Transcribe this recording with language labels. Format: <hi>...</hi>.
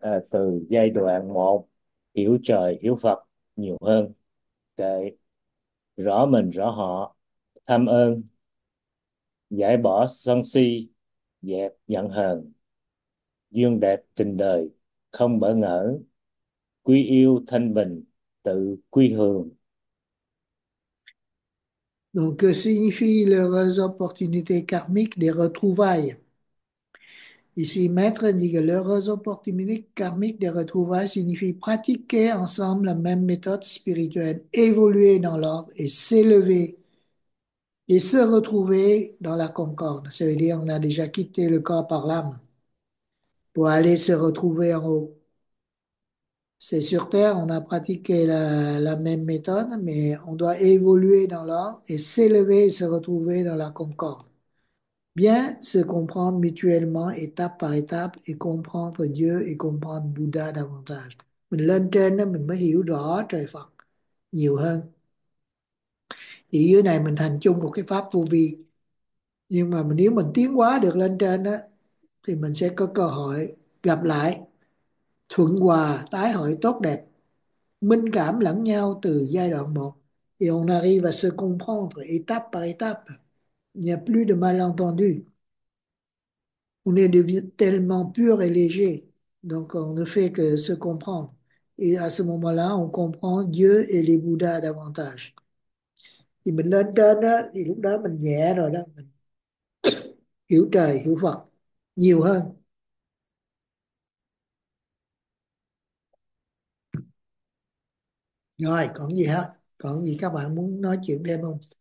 <vi>từ giai đoạn một hiểu trời hiểu Phật nhiều hơn, để rõ mình rõ họ, tham ơn, giải bỏ sân si, dẹp giận hờn, duyên đẹp tình đời không bỡ ngỡ, quy yêu thanh bình tự quy hướng.</vi> <fr>Donc, que signifient leurs opportunités karmiques des retrouvailles? Ici, Maître dit que leurs opportunités karmiques des retrouvailles signifient pratiquer ensemble la même méthode spirituelle, évoluer dans l'ordre et s'élever et se retrouver dans la concorde. Ça veut dire qu'on a déjà quitté le corps par l'âme pour aller se retrouver en haut. C'est sur Terre, on a pratiqué la même méthode, mais on doit évoluer dans l'ordre et s'élever et se retrouver dans la concorde. Bien se comprendre mutuellement, étape par étape, et comprendre Dieu et comprendre Bouddha davantage.</fr> <vi>Mình lên trên đó, mình mới hiểu rõ trời Phật nhiều hơn. Thì dưới này mình hành chung một cái pháp vô vi. Nhưng mà nếu mình tiến hóa được lên trên đó, thì mình sẽ có cơ hội gặp lại thuận hòa, tái hội tốt đẹp, minh cảm lẫn nhau từ giai đoạn một.</vi> <fr>Et on arrive à se comprendre étape par étape. Il n'y a plus de malentendus. On est devenu tellement pur et léger. Donc on ne fait que se comprendre. Et à ce moment-là, on comprend Dieu et les Bouddhas davantage.</fr> <vi>Et mình lên trên đó, thì lúc đó mình nhẹ rồi đó. Hiểu trời, hiểu Phật nhiều hơn. Rồi, còn gì hả? Còn gì các bạn muốn nói chuyện thêm không?</vi>